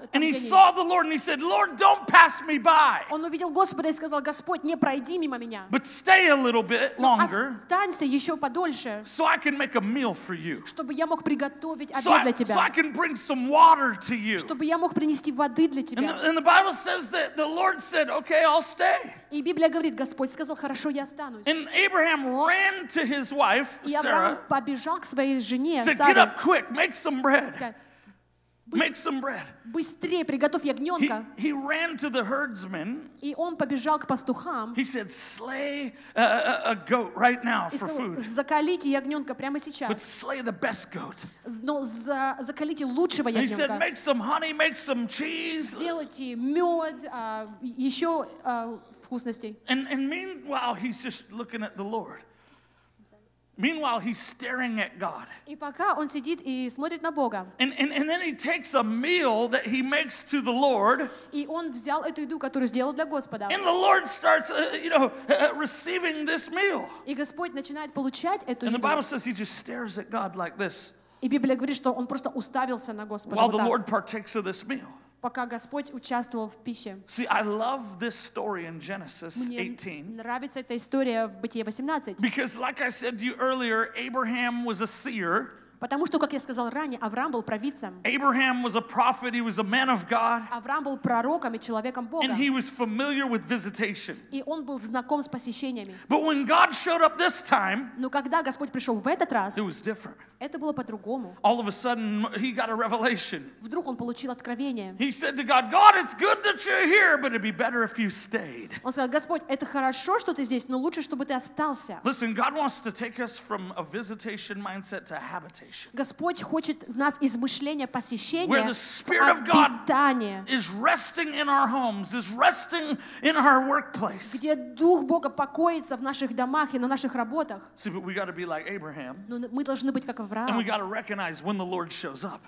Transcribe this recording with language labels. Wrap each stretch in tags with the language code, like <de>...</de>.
<en>And he saw the Lord and he said, Lord, don't pass me by.</en> <ru>Он увидел Господа и сказал, Господь, не пройди мимо меня.</ru> <en>But stay a little bit longer.</en> <ru>Останься еще подольше.</ru> <en>So I can make a meal for you.</en> <ru>Чтобы я мог приготовить обед для тебя.</ru> <en>So I can bring some water to you.</en> <ru>Чтобы я мог принести воды для тебя.</ru> <en>And the Bible says that the Lord said, okay, I'll stay.</en> <ru>И Библия говорит, Господь сказал, хорошо, я останусь.</ru> <en>And Abraham ran to his wife, Sarah.</en> <ru>Побежал к своей жене,</ru> <en>Саре. Said, get up quick, make some bread. Make some bread.</en> <ru>Быстрее приготовь ягненка.</ru> <en>He ran to the herdsmen.</en> <ru>И он побежал к пастухам.</ru> <en>He said, "Slay a goat right now for food."</en> <ru>Закалите ягненка прямо сейчас.</ru> <en>But slay the best goat.</en> <ru>Но закалите лучшего ягненка.</ru> <en>He said, "Make some honey, make some cheese."</en> <ru>Сделайте мед, еще вкусностей.</ru> <en>And meanwhile, he's just looking at the Lord. Meanwhile, he's staring at God.</en> <ru>И пока он сидит и смотрит на Бога.</ru> <en>And then he takes a meal that he makes to the Lord.</en> <ru>И он взял эту еду, которую сделал для Господа.</ru> <en>And the Lord starts, receiving this meal.</en> <ru>И Господь начинает получать эту еду.</ru> <en>And the Bible says he just stares at God like this.</en> <ru>И Библия говорит, что он просто уставился на Господа.</ru> <en>While the Lord partakes of this meal.</en> <ru>Пока Господь участвовал в пище.</ru> <en>See, I love this story in Genesis 18.</en> <ru>Мне нравится эта история в Бытие 18.</ru> <en>Because, like I said to you earlier, Abraham was a seer.</en> <ru>Потому что, как я сказал ранее, Авраам был провидцем.</ru> <en>Abraham was a prophet. He was a man of God.</en> <ru>Авраам был пророком и человеком Бога.</ru> <en>And he was familiar with visitation.</en> <ru>И он был знаком с посещениями.</ru> <en>But when God showed up this time,</en> <ru>но когда Господь пришел в этот раз,</ru> <en>it was different.</en> <ru>Это было по-другому.</ru> <en>All of a sudden, he got a revelation.</en> <ru>Вдруг он получил откровение.</ru> <en>He said to God, "God, it's good that you're here, but it'd be better if you stayed."</en> <ru>Он сказал, Господь, это хорошо, что ты здесь, но лучше, чтобы ты остался.</ru> <en>Listen, God wants to take us from a visitation mindset to habitation.</en> <ru>Господь хочет нас из мышления посещения.</ru> <en>Where the Spirit of God is resting in our homes, is resting in our workplace.</en> <ru>Где дух Бога покоится в наших домах и на наших работах.</ru> <en>See, but we got to be like Abraham.</en> <ru>Мы должны быть</ru> <en>And we got to recognize when the Lord shows up.</en>